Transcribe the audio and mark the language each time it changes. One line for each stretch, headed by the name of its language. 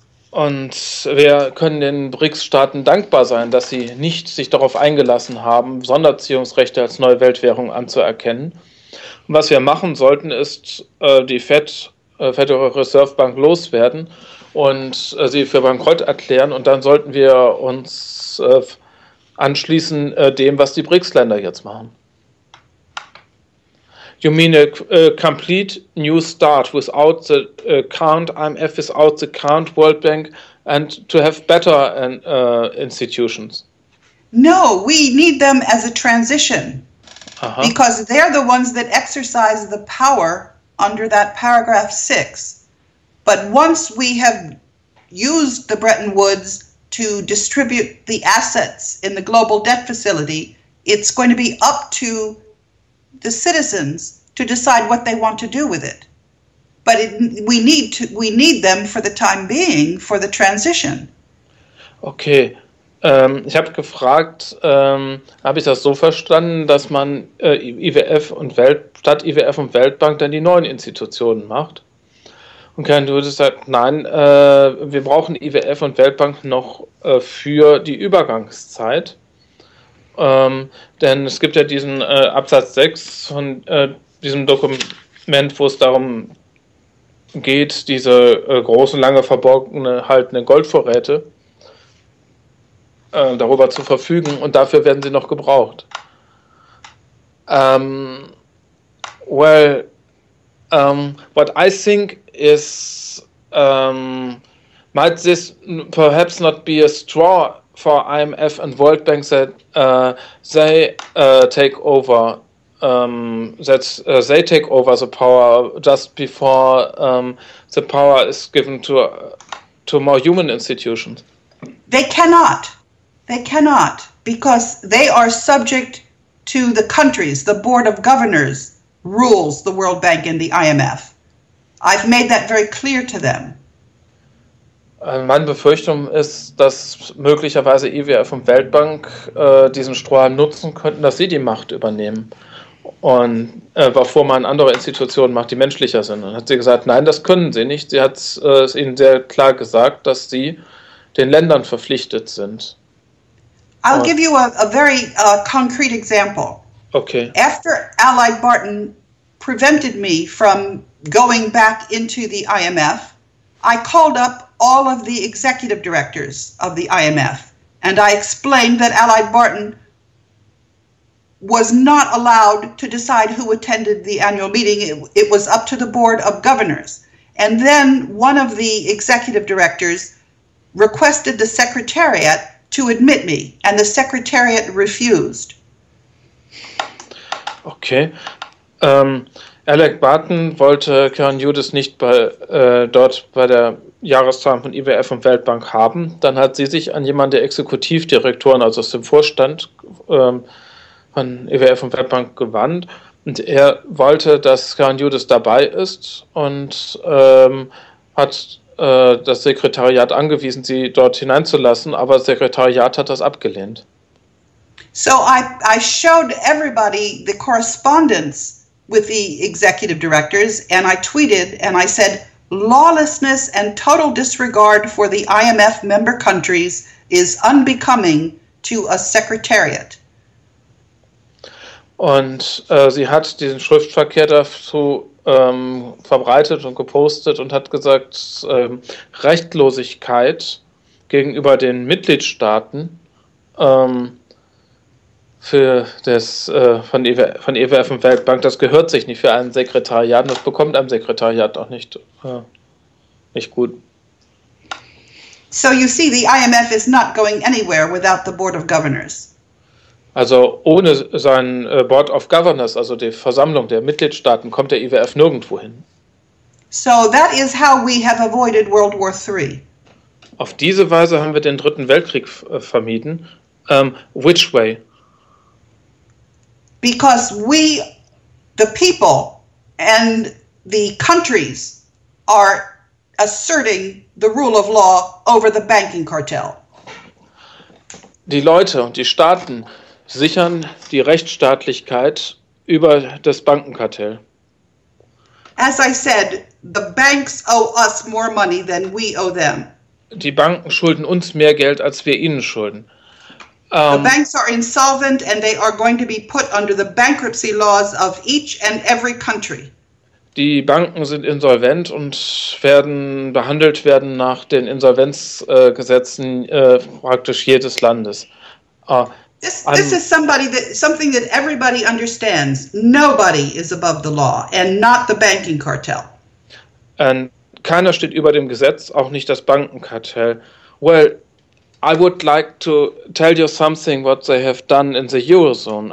German: Und wir können den BRICS-Staaten dankbar sein, dass sie nicht sich darauf eingelassen haben, Sonderziehungsrechte als neue Weltwährung anzuerkennen. Und was wir machen sollten, ist die Federal Reserve Bank loswerden und sie für bankrott erklären. Und dann sollten wir uns anschließen dem, was die BRICS-Länder jetzt machen.
English: You mean a complete new start without the account, IMF without the account, World Bank, and to have better institutions? No, we need them as a transition. Uh-huh. Because they're the ones that exercise the power under that paragraph 6. But once we have used the Bretton Woods to distribute the assets in the global debt facility, it's going to be up to the citizens to decide what they want to do with it. But we need them for the time being, for the transition.
German: Okay, ich habe gefragt, habe ich das so verstanden, dass man IWF und statt IWF und Weltbank dann die neuen Institutionen macht? Und Karen Dürer sagt, nein, wir brauchen IWF und Weltbank noch für die Übergangszeit. Denn es gibt ja diesen Absatz 6 von diesem Dokument, wo es darum geht, diese großen, lange verborgene, haltenden Goldvorräte darüber zu verfügen, und dafür werden sie noch gebraucht.
English: What I think is, might this perhaps not be a straw for IMF and World Bank that they take over? They take over the power just before the power is given to more human institutions. They cannot, because they are subject to the countries, the Board of Governors rules the World Bank and the IMF. I've made that very clear to them.
German: Meine Befürchtung ist, dass möglicherweise IWF und Weltbank diesen Strohhalm nutzen könnten, dass sie die Macht übernehmen. Und bevor man andere Institutionen macht, die menschlicher sind. Und hat sie gesagt, nein, das können sie nicht. Sie hat es ihnen sehr klar gesagt, dass sie den Ländern verpflichtet sind.
English: I'll give you a very concrete example. Okay. After Allied Barton prevented me from going back into the IMF, I called up all of the executive directors of the IMF and I explained that Allied Barton was not allowed to decide who attended the annual meeting. It was up to the Board of Governors. And then one of the executive directors requested the secretariat to admit me, and the secretariat refused. Okay.
German: Alec Barton wollte Karen Judis nicht dort bei der Jahrestagung von IWF und Weltbank haben. Dann hat sie sich an jemanden der Exekutivdirektoren, also aus dem Vorstand, von IWF und Weltbank gewandt, Und er wollte, dass Karen Judis dabei ist und hat das Sekretariat angewiesen, sie dort hineinzulassen, aber das Sekretariat hat das abgelehnt.
English: So I showed everybody the correspondence with the executive directors and I tweeted and I said, lawlessness and total disregard for the IMF member countries is unbecoming to a secretariat.
German: Und sie hat diesen Schriftverkehr dazu verbreitet und gepostet und hat gesagt, Rechtlosigkeit gegenüber den Mitgliedstaaten von EWF und Weltbank, das gehört sich nicht für ein Sekretariat, das bekommt ein Sekretariat auch nicht, nicht gut.
English: So you see, the IMF is not going anywhere without the Board of Governors.
German: Also ohne sein Board of Governors, also die Versammlung der Mitgliedstaaten, kommt der IWF nirgendwo hin.
English: So that is how we have avoided World War III.
German: Auf diese Weise haben wir den Dritten Weltkrieg vermieden.
English: Which way? Because we, the people and the countries, are asserting the rule of law over the banking cartel.
German: Die Leute und die Staaten sichern die Rechtsstaatlichkeit über das Bankenkartell.
English: As I said, the banks owe us more money than we owe them.
German: Die Banken schulden uns mehr Geld, als wir ihnen schulden.
English: The banks are insolvent and they are going to be put under the bankruptcy laws of each and every country.
German: Die Banken sind insolvent und werden behandelt werden nach den Insolvenzgesetzen praktisch jedes Landes.
English: This is something that everybody understands. Nobody is above the law and not the banking cartel.
German: And keiner steht über dem Gesetz, auch nicht das Bankenkartell.
English: Well, I would like to tell you something what they have done in the Eurozone.